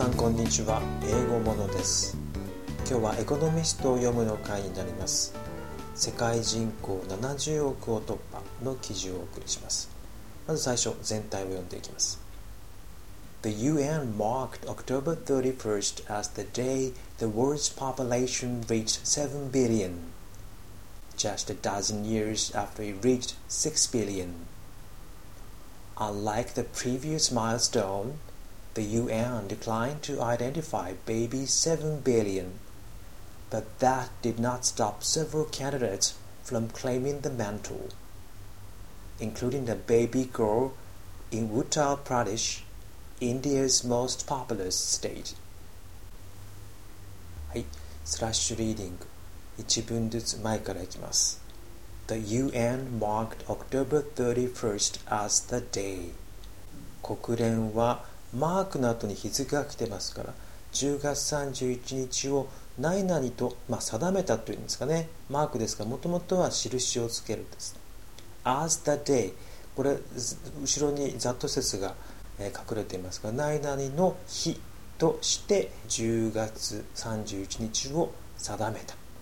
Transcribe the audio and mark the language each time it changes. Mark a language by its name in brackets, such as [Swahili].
[Japanese] んにちは、英語モノです。今日はエコノミストを読むの回になります。世界人口70億を突破の記事をお送りします。まず最初、全体を読んでいきます。 [English] The UN marked October 31st as the day the world's population reached 7 billion just a dozen years after it reached 6 billion. Unlike the previous milestoneThe UN declined to identify baby 7 billion, but that did not stop several candidates from claiming the mantle, including a baby girl in Uttar Pradesh, India's most populous state. [Japanese] はい、スラッシュリーディング、一文ずつ前からいきます。 [English] The UN marked October 31st as the day. [Japanese] 国連はマークの後に日付が来てますから、10月31日を何々と、定めたというんですかね。マークですから、もともとは印をつけるんです。 As the day、これ後ろにざっと説が隠れていますが、何々の日として10月31日を定めた。